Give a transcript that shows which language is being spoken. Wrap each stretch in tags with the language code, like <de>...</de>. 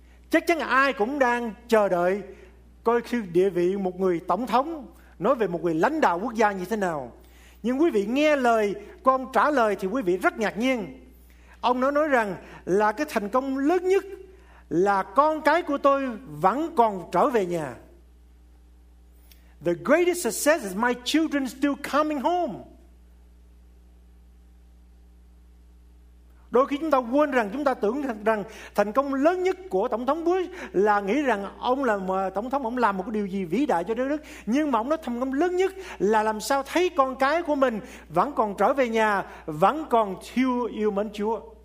<vi>Chắc chắn ai cũng đang chờ đợi coi khi địa vị một người tổng thống nói về một người lãnh đạo quốc gia như thế nào. Nhưng quý vị nghe lời của ông trả lời thì quý vị rất ngạc nhiên. Ông nói rằng là cái thành công lớn nhất là con cái của tôi vẫn còn trở về nhà.</vi> <en>The greatest success is my children still coming home.</en> <vi>Đôi khi chúng ta quên rằng, chúng ta tưởng rằng thành công lớn nhất của Tổng thống Bush là nghĩ rằng ông là Tổng thống, ông làm một điều gì vĩ đại cho đất nước. Nhưng mà ông nói thành công lớn nhất là làm sao thấy con cái của mình vẫn còn trở về nhà, vẫn còn thiêu yêu mến Chúa.</vi>